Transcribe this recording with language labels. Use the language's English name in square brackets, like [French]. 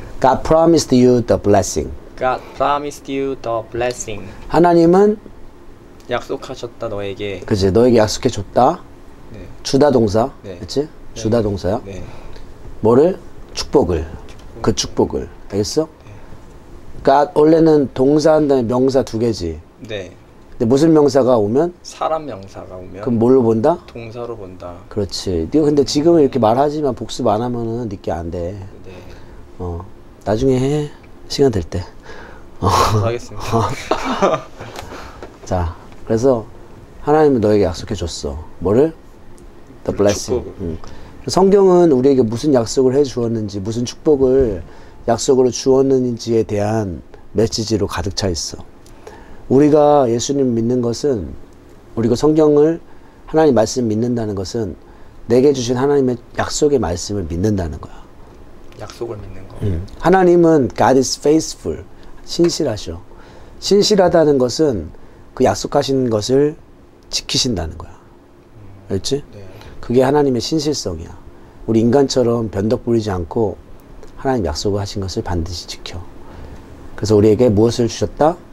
[English] God promised you the blessing. God promised you the blessing. [Korean] 하나님은 약속하셨다 너에게. 그치, 너에게 약속해 줬다. 네. 주다 동사. 네. 그치? 네. 주다 동사야. 네. 뭐를? 축복을. 축복. 그 축복을. 알겠어? 네. God 원래는 동사한다는 명사 두 개지. 네. 근데 무슨 명사가 오면? 사람 명사가 오면. 그럼 뭘로 본다? 동사로 본다. 그렇지. 네가 근데 지금은 이렇게 말하지만 복습 안 하면은 늦게 안 돼. 네. 어, 나중에 해. 시간 될 때. 알겠습니다. 자, 그래서 하나님은 너에게 약속해 줬어. [English] 뭐를? The blessing. [Korean] 응. 성경은 우리에게 무슨 약속을 해 주었는지, 무슨 축복을 약속으로 주었는지에 대한 메시지로 가득 차 있어. 우리가 예수님 믿는 것은, 우리가 성경을 하나님 말씀 믿는다는 것은 내게 주신 하나님의 약속의 말씀을 믿는다는 거야. 약속을 믿는 거. 하나님은 [English] God is faithful. [Korean] 신실하셔. 신실하다는 것은 그 약속하신 것을 지키신다는 거야. 알지? 네. 그게 하나님의 신실성이야. 우리 인간처럼 변덕부리지 않고 하나님 약속을 하신 것을 반드시 지켜. 그래서 우리에게 무엇을 주셨다?